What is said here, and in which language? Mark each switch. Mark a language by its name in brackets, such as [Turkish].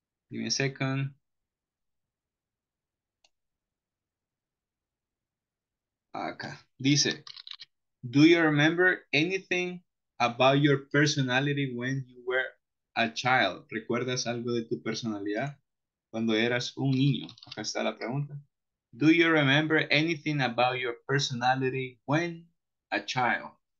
[English] Give me a second. [Spanish] Acá. [English] Dice, do you remember anything about your personality when you were a child? [Spanish] ¿Recuerdas algo de tu personalidad cuando eras un niño? Acá está la pregunta. [English] Do you remember anything about your personality when a child?